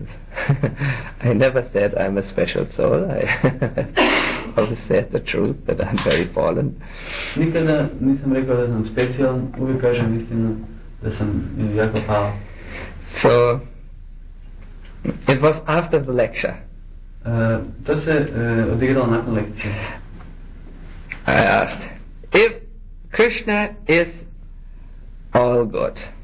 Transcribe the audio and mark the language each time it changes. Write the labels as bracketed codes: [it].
[en] I never said I'm a special soul. I always said the truth that I'm very fallen. [hr] Nikada nisam rekao da sam specijalan, uvijek kažem istinu da sam jako pao. [en] So it was after the lecture. [hr] To se odigralo nakon lekcije. [en] I asked if Krishna is all good.